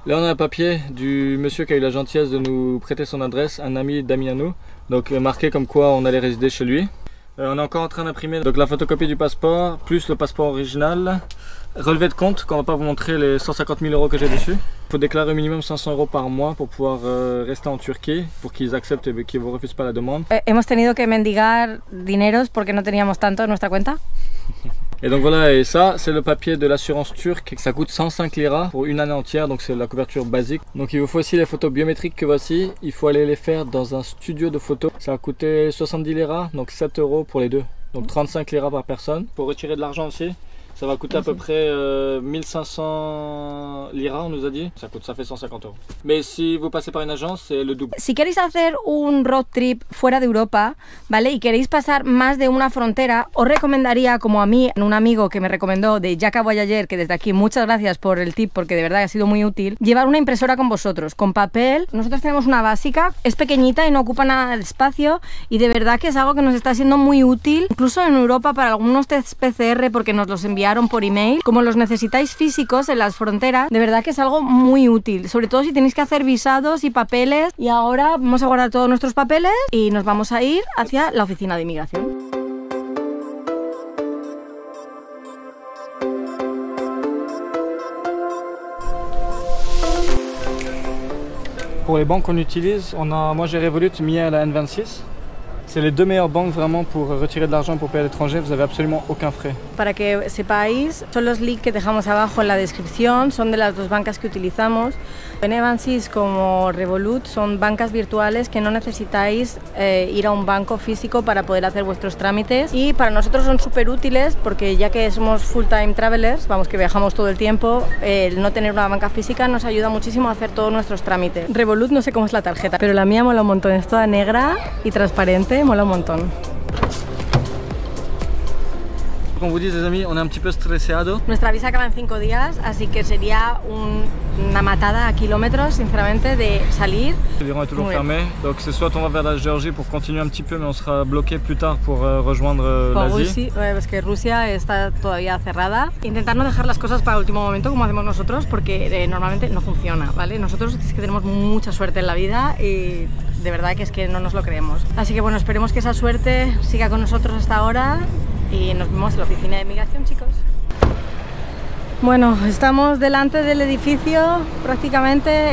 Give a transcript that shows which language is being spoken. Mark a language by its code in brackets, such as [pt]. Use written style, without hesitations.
[fr] Là, on a un papier du monsieur qui a eu la gentillesse de nous prêter son adresse, un ami d'Amiano, donc marqué comme quoi on allait résider chez lui. On est encore en train d'imprimer donc la photocopie du passeport, plus le passeport original, relevé de compte, qu'on va pas vous montrer les 150 000 € que j'ai dessus. Il faut déclarer au minimum 500 € par mois pour pouvoir rester en Turquie, pour qu'ils acceptent et qu'ils vous refusent pas la demande. [es] Hemos tenido que mendigar dineros porque no teníamos tanto en nuestra cuenta. [fr] Et donc voilà, et ça, c'est le papier de l'assurance turque. Ça coûte 105 liras pour une année entière, donc c'est la couverture basique. Donc il vous faut aussi les photos biométriques que voici. Il faut aller les faire dans un studio de photos. Ça a coûté 70 liras, donc 7 € pour les deux. Donc 35 liras par personne. Pour retirer de l'argent aussi, ça va coûter à peu près 1500 liras, on nous a dit. Ça fait 150 €. Mais si vous passez par une agence, c'est le double. [es] Si queréis hacer un road trip fuera de Europa, ¿vale? Y queréis pasar más de una frontera, os recomendaría, como a mí, un amigo que me recomendó de Jack Voyager, que desde aquí muchas gracias por el tip porque de verdad ha sido muy útil, llevar una impresora con vosotros, con papel. Nosotros tenemos una básica, es pequeñita y no ocupa nada de espacio y de verdad que es algo que nos está siendo muy útil, incluso en Europa para algunos tests PCR porque nos los enviaron por email. Como los necesitáis físicos en las fronteras, de verdad que es algo muy útil, sobre todo si tenéis que hacer visados y papeles. Y ahora vamos a guardar todos nuestros papeles y nos vamos a ir hacia la oficina de inmigración. [fr] Pour les banques qu'on utilise, moi j'ai Revolut, Mia et la N26. C'est les deux meilleures banques vraiment pour retirer de l'argent pour payer à l'étranger, vous n'avez absolument aucun frais. [es] Para que sepáis, son los links que dejamos abajo en la descripción, son de las dos bancas que utilizamos. N26 como Revolut son bancas virtuales que no necesitáis ir a un banco físico para poder hacer vuestros trámites. Y para nosotros son súper útiles porque ya que somos full time travelers, vamos, que viajamos todo el tiempo, el no tener una banca física nos ayuda muchísimo a hacer todos nuestros trámites. Revolut, no sé cómo es la tarjeta, pero la mía mola un montón, es toda negra y transparente, mola un montón. [fr] Como vous dites, amis, on est un petit peu stressado. [es] Nuestra visa acaba en 5 días, así que sería una matada a kilómetros, sinceramente, de salir. [fr] L'Iran est toujours fermé, donc c'est soit on va vers la Géorgie pour continuer un petit peu, mais on sera bloqué plus tard pour rejoindre l'Asie. [es] Sí, ouais, parce que Rusia está todavía cerrada. Intentar no dejar las cosas para el último momento, como hacemos nosotros, porque normalmente no funciona, ¿vale? Nosotros es que tenemos mucha suerte en la vida y de verdad que es que no nos lo creemos. Así que bueno, esperemos que esa suerte siga con nosotros hasta ahora. Y nos vemos en la oficina de inmigración, chicos. Bueno, estamos delante del edificio prácticamente.